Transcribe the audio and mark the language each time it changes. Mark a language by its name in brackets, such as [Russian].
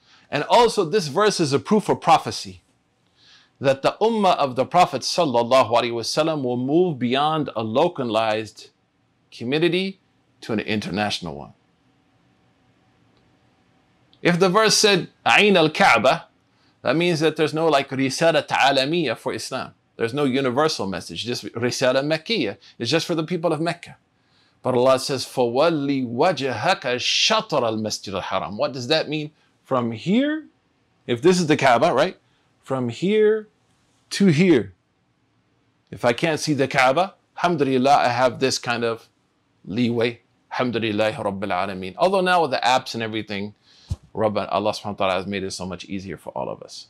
[English] And also this verse is a proof of prophecy that the ummah of the Prophet sallallahu alaihi wasallam will move beyond a localized community to an international one. If the verse said, Ayn al-Kaaba, that means that there's no like Risalat alamiya for Islam. There's no universal message, just Risalat Makkiya. It's just for the people of Mecca. But Allah says, [Arabic] فَوَلِّ وَجَهَكَ شَطْرَ الْمَسْجِدِ الْحَرَامِ. [English] What does that mean? From here, if this is the Kaaba, right? From here to here. If I can't see the Kaaba, alhamdulillah, I have this kind of leeway. Alhamdulillah, Rabbil Alameen. Although now with the apps and everything, Allah subhanahu wa ta'ala has made it so much easier for all of us.